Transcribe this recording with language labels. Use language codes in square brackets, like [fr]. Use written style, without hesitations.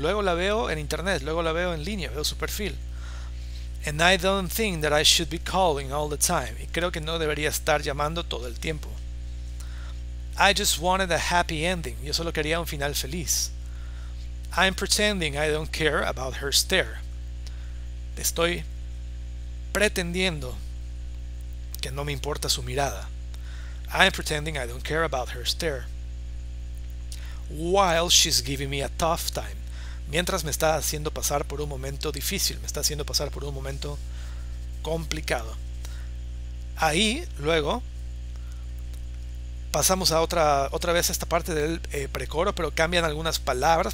[es] Luego la veo en internet, luego la veo en línea, veo su perfil. [en] And I don't think that I should be calling all the time. [es] Y creo que no debería estar llamando todo el tiempo. [en] I just wanted a happy ending. [es] Yo solo quería un final feliz. [en] I'm pretending I don't care about her stare. [es] Estoy pretendiendo que no me importa su mirada. [en] I'm pretending I don't care about her stare. While she's giving me a tough time. [es] Mientras me está haciendo pasar por un momento difícil, me está haciendo pasar por un momento complicado. Ahí, luego, pasamos a otra vez a esta parte del precoro, pero cambian algunas palabras.